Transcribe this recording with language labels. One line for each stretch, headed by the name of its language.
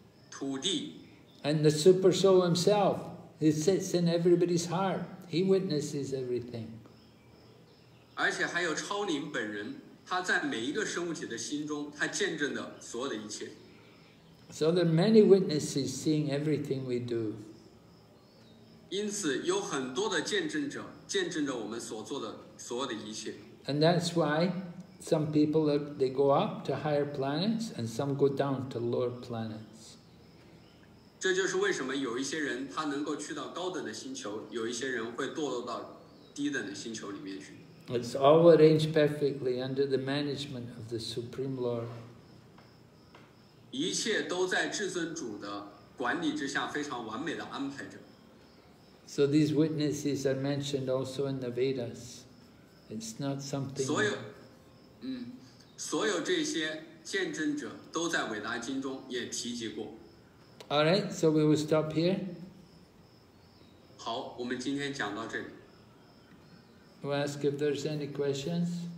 Chinese: 土地
English: ，and the super soul himself， he sits in everybody's heart， he witnesses everything。
Chinese: 而且还有超灵本人，他在每一个生物体的心中，他见证的所有的一切。
English: So there are many witnesses seeing everything we do.
Chinese: 因此有很多的见证者见证着我们所做的所有的一切。
English: And that's why some people they go up to higher planets and some go down to lower planets.
Chinese: 这就是为什么有一些人他能够去到高等的星球，有一些人会堕落到低等的星球里面去。
English: It's all arranged perfectly under the management of the Supreme Lord.
Chinese: 一切都在至尊主的管理之下，非常完美的安排着。
English: So these witnesses are mentioned also in the Vedas. It's not something.
Chinese: 所有这些见证者都在伟达经中也提及过。
English: All right, so we will stop here.
Chinese: 好，我们今天讲到这里。
English: We'll ask if there's any questions.